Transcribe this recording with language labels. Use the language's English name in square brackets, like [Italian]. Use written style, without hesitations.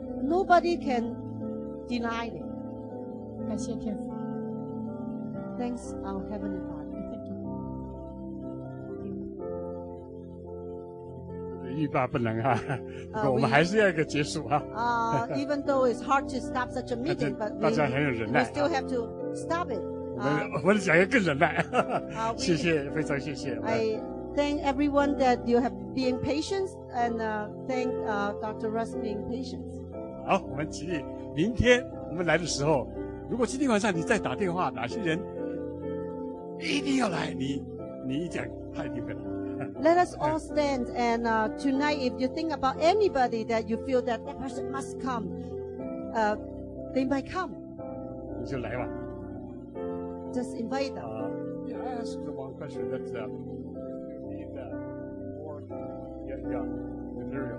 [English] Nobody can deny it. [Chinese] 感谢天父。 [English] Thanks our Heavenly Father. [Chinese] 我们还是要一个结束啊。 [English] Even though it's hard to stop such a meeting, but [Chinese] 大家很有忍耐。 [English] We still have to stop it. [Chinese] 我讲要更忍耐。谢谢，非常谢谢。 [English] I thank everyone that you have been patient and thank Dr. Russ being patient. [Chinese] 好，我们起立。明天我们来的时候，如果今天晚上你再打电话，哪些人一定要来？你你一讲他一定会来。 [English] Let us all stand, and tonight, if you think about anybody that you feel that person must come, they might come. [Chinese] 你就来吧。 [English] Just invite them. Yeah, I ask one question that you need more young material.